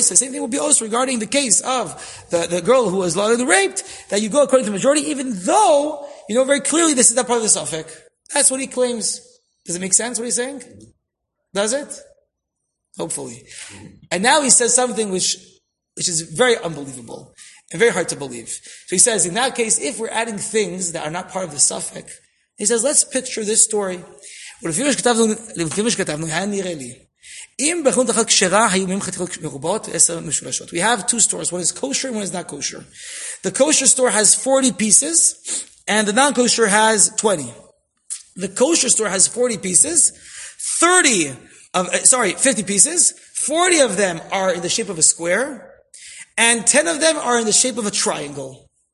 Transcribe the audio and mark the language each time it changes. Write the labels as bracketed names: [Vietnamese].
[English] So the same thing will be also regarding the case of the girl who was lawfully raped, that you go according to the majority, even though you know very clearly this is not part of the suffix. That's what he claims. Does it make sense what he's saying? Does it? Hopefully. And now he says something which is very unbelievable and very hard to believe. So he says, in that case, if we're adding things that are not part of the suffix, he says, let's picture this story. [Hebrew] ולפי מה שכתבנו, היה נראה לי. אם בחנות אחת כשרה, היו מהם חתיכות מרובות, עשר משולשות. [English] We have two stores. One is kosher and one is not kosher. The kosher store has 40 pieces, and the non-kosher has 20. The kosher store has 40 pieces, 50 pieces, 40 of them are in the shape of a square, and 10 of them are in the shape of a triangle.